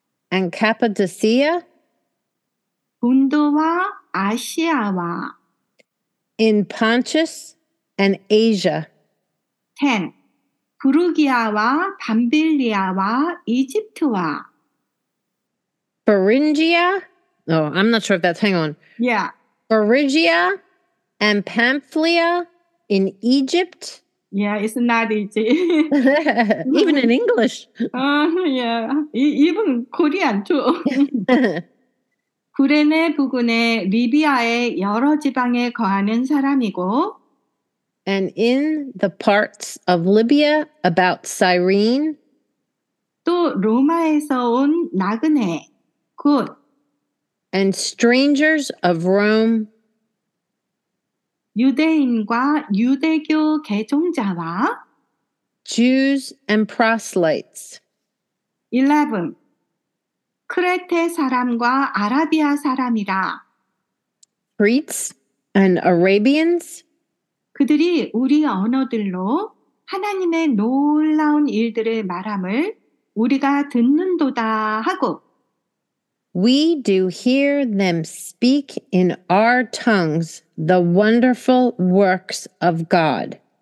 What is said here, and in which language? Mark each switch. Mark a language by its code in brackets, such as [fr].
[en] and Cappadocia, [ko] 본도와 아시아와, [en] in Pontus and Asia. 10. [ko] 부르기아와 밤빌리아와 이집트와, [en] Phrygia, oh, I'm not sure if that's, hang on. Yeah. Phrygia and Pamphylia in Egypt. Yeah, it's not easy. even in English. Yeah, even Korean too. [ko] 구레네 부근에 리비아의 여러 지방에 거하는 사람이고 [en] And in the parts of Libya about Cyrene [ko] 또 로마에서 온 나그네, 곧 [en] And strangers of Rome [ko] 유대인과 유대교 개종자와 [en] Jews and proselytes. 11. [ko] 크레테 사람과 아라비아 사람이라 [en] Greeks and Arabians. [ko] 그들이 우리 언어들로 하나님의 놀라운 일들을 말함을 우리가 듣는도다 하고 [en] We do hear them speak in our tongues the wonderful works of God.